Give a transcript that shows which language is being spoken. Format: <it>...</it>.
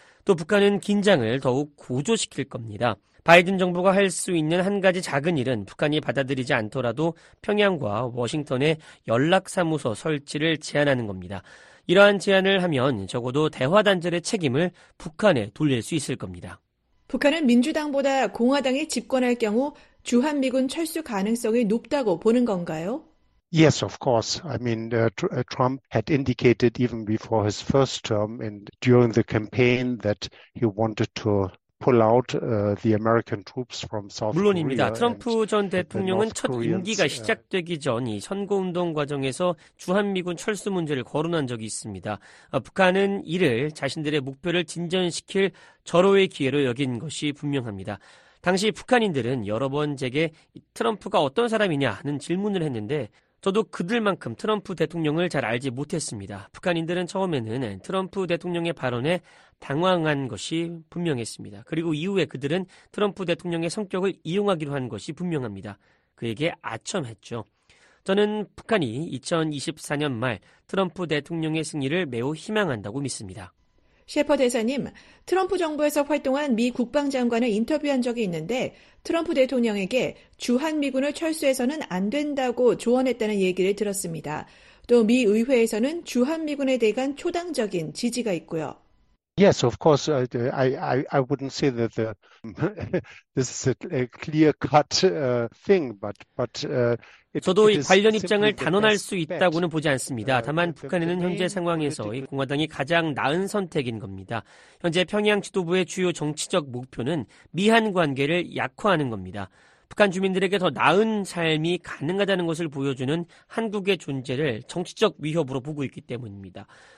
<ko>또 북한은 긴장을 더욱 고조시킬 겁니다. 바이든 정부가 할 수 있는 한 가지 작은 일은 북한이 받아들이지 않더라도 평양과 워싱턴의 연락사무소 설치를 제안하는 겁니다. 이러한 제안을 하면 적어도 대화단절의 책임을 북한에 돌릴 수 있을 겁니다. 북한은 민주당보다 공화당이 집권할 경우 주한미군 철수 가능성이 높다고 보는 건가요?</ko> <en>Yes, of course. I mean, Trump had indicated even before his first term and during the campaign that he wanted to pull out the American troops from South Korea.</en> <ko>물론입니다. 트럼프 전 대통령은 첫 임기가 시작되기 전 이 선거운동 과정에서 주한미군 철수 문제를 거론한 적이 있습니다. 북한은 이를 자신들의 목표를 진전시킬 절호의 기회로 여긴 것이 분명합니다. 당시 북한인들은 여러 번 제게 트럼프가 어떤 사람이냐는 질문을 했는데 저도 그들만큼 트럼프 대통령을 잘 알지 못했습니다. 북한인들은 처음에는 트럼프 대통령의 발언에 당황한 것이 분명했습니다. 그리고 이후에 그들은 트럼프 대통령의 성격을 이용하기로 한 것이 분명합니다. 그에게 아첨했죠. 저는 북한이 2024년 말 트럼프 대통령의 승리를 매우 희망한다고 믿습니다. 셰퍼 대사님, 트럼프 정부에서 활동한 미 국방장관을 인터뷰한 적이 있는데 트럼프 대통령에게 주한미군을 철수해서는 안 된다고 조언했다는 얘기를 들었습니다. 또 미 의회에서는 주한미군에 대한 초당적인 지지가 있고요.</ko> <en>Yes, of course. I wouldn't say that this is a clear-cut thing, but</en> <ko>저도 관련 입장을 단언할 수 있다고는 보지 않습니다. 다만 북한에는 현재 상황에서 이 공화당이 가장 나은 선택인 겁니다. 현재 평양 지도부의 주요 정치적 목표는 미한 관계를 약화하는 겁니다. 북한 주민들에게 더 나은 삶이 가능하다는 것을 보여주는 한국의 존재를 정치적 위협으로 보고 있기 때문입니다.</ko>